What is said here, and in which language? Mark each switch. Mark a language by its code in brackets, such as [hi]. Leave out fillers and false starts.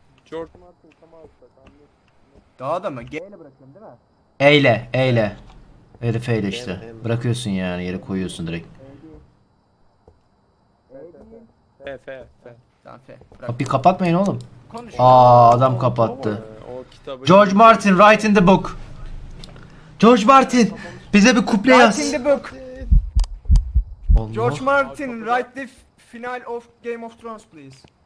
[tr] George Martin tam altta. Daha da mı? G ile bırakıyorum değil mi? Eyle, eyle. Herif eyle işte. Eyle. Bırakıyorsun yani, yere koyuyorsun direkt. F. Kapıyı kapatmayın oğlum. Konuş. Aa adam kapattı. [en] George Martin, write in the book. [tr] George Martin, bize bir kuple yaz. [en] Write in the book. George Martin, write the final of Game of Thrones please.